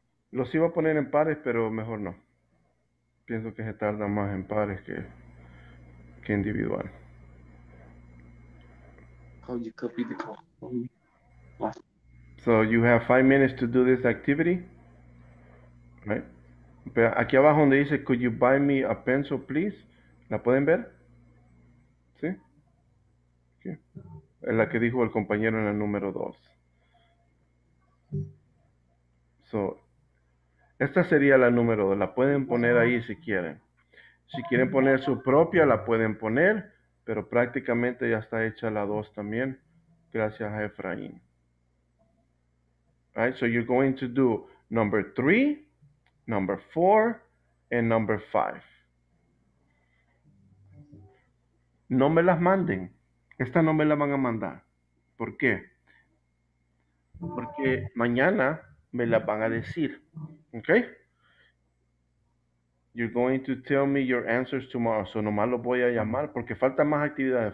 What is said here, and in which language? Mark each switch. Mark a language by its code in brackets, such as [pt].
[es] Los iba a poner en pares, pero mejor no. Pienso que se tarda más en pares que individual. [en] How you copy the call? So you have 5 minutes to do this activity, right? [es] Pero aquí abajo donde dice, [en] could you buy me a pencil, please? [es] ¿La pueden ver? ¿Sí? ¿Qué? Es la que dijo el compañero en el número 2. So, esta sería la número 2. La pueden poner ahí si quieren. Si quieren poner su propia, la pueden poner. Pero prácticamente ya está hecha la 2 también, gracias a Efraín. [en] All right, so you're going to do number 3, number 4, and number 5. [es] No me las manden. Esta no me la van a mandar. ¿Por qué? Porque mañana me las van a decir. Okay? [en] You're going to tell me your answers tomorrow. [es] So nomás lo voy a llamar porque falta más actividades.